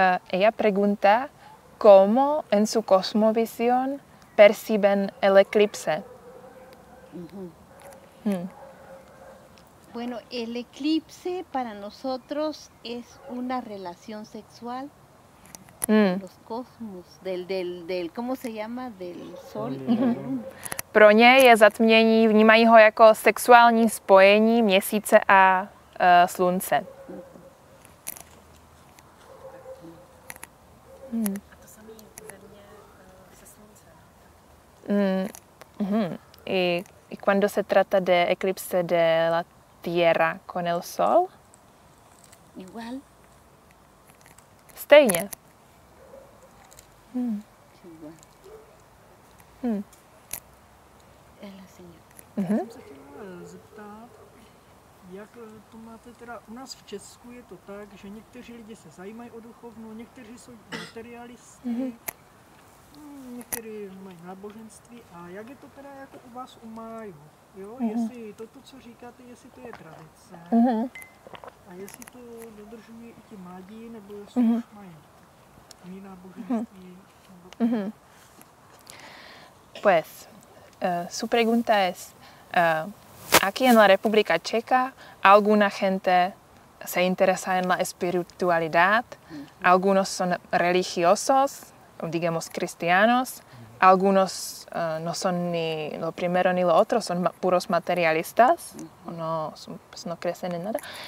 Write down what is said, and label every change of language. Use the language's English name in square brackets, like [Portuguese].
[Spanish] Ella pregunta cómo en su cosmovisión perciben el eclipse. Bueno, el eclipse para nosotros es una relación sexual. Los cosmos del ¿cómo se llama? Del sol. [Czech] Pro ně je zatmění, vnímají ho jako sexuální spojení měsíce a slunce. A to samé ve mně se slunce. [Spanish] Y cuando se trata de eclipse de la Tierra con el Sol? Igual. [Czech] Stejně. Já jsem se chtěla zeptat, jak to máte teda, u nás v Česku je to tak, že někteří lidi se zajímají o duchovno, někteří jsou materialisty, někteří mají náboženství, a jak je to teda jako u vás u Májů, jo? Jestli toto, co říkáte, jestli to je tradice, a jestli to dodržují i ti mladí, nebo jestli už mají jiné náboženství, nebo... [Spanish] Pues, su pregunta es, aquí en la República Checa, alguna gente se interesa en la espiritualidad, algunos son religiosos, digamos cristianos, algunos no son ni lo primero ni lo otro, son puros materialistas, no crecen en nada.